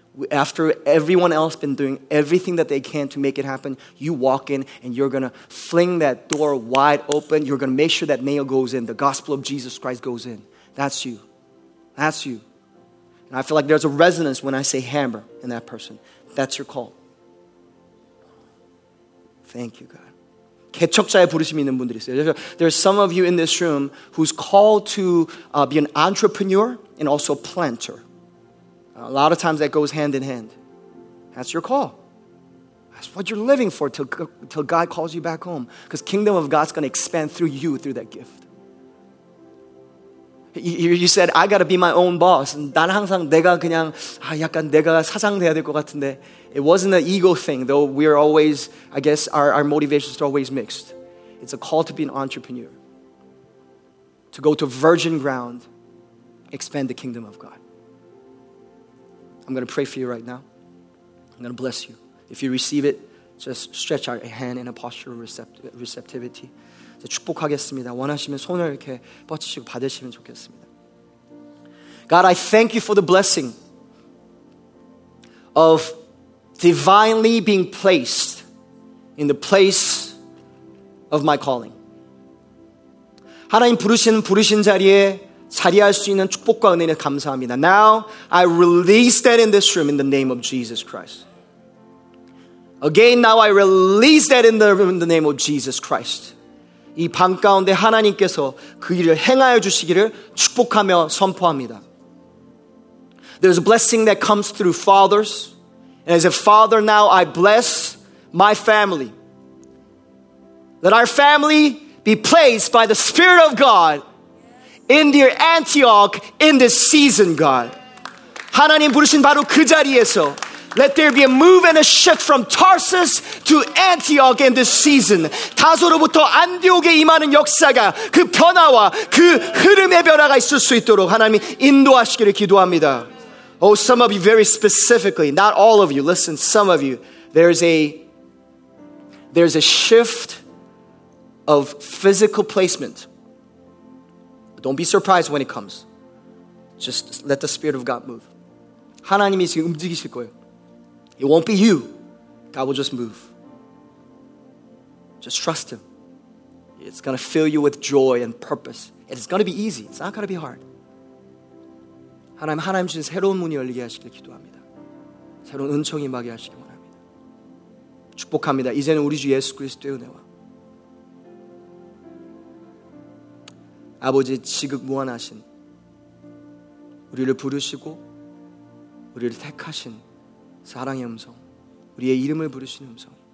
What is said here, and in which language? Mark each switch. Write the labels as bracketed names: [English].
[English] After everyone else been doing everything that they can to make it happen, you walk in and you're going to fling that door wide open. You're going to make sure that nail goes in. The gospel of Jesus Christ goes in. That's you. That's you. And I feel like there's a resonance when I say hammer in that person. That's your call. Thank you, God. [Korean] 개척자의 부르심이 있는 분들이 있어요. [English] There's some of you in this room who's called to be an entrepreneur and also a planter. A lot of times that goes hand in hand. That's your call. That's what you're living for till God calls you back home. Because kingdom of God's going to expand through you, through that gift. You said, I gotta be my own boss. [Korean] 난 항상 내가 그냥 약간 내가 사장 돼야 될 것 같은데. [English] It wasn't an ego thing, though we are always, I guess, our motivations are always mixed. It's a call to be an entrepreneur. To go to virgin ground, expand the kingdom of God. I'm gonna pray for you right now. I'm gonna bless you. If you receive it, just stretch out a hand in a posture of receptivity. [Korean] 축복하겠습니다. 원하시면 손을 이렇게 뻗치시고 받으시면 좋겠습니다. [English] God, I thank you for the blessing of divinely being placed in the place of my calling. [Korean] 하나님 부르신 자리에 자리할 수 있는 축복과 은혜에 감사합니다. [English] Now, I release that in this room in the name of Jesus Christ. Again, now I release that in the room in the name of Jesus Christ. [Korean] 이 밤 가운데 하나님께서 그 일을 행하여 주시기를 축복하며 선포합니다. [English] There's a blessing that comes through fathers. And as a father now, I bless my family. Let our family be placed by the Spirit of God in their Antioch in this season, God. [Korean] 하나님 부르신 바로 그 자리에서 [English] Let there be a move and a shift from Tarsus to Antioch in this season. [Korean] 다소로부터 안디옥에 임하는 역사가 그 변화와 그 흐름의 변화가 있을 수 있도록 하나님 인도하시기를 기도합니다. [English] Oh, some of you very specifically, not all of you, listen, some of you, there's a shift of physical placement. Don't be surprised when it comes. Just let the Spirit of God move. [Korean] 하나님이 지금 움직이실 거예요. [English] It won't be you. God will just move. Just trust Him. It's going to fill you with joy and purpose. It's going to be easy. It's not going to be hard. [Korean] 하나님 주신 새로운 문이 열리게 하시길 기도합니다. 새로운 은총이 임하게 하시길 원합니다. 축복합니다. 이제는 우리 주 예수 그리스도의 은혜와 아버지 지극 무한하신 우리를 부르시고 우리를 택하신 사랑의 음성, 우리의 이름을 부르시는 음성.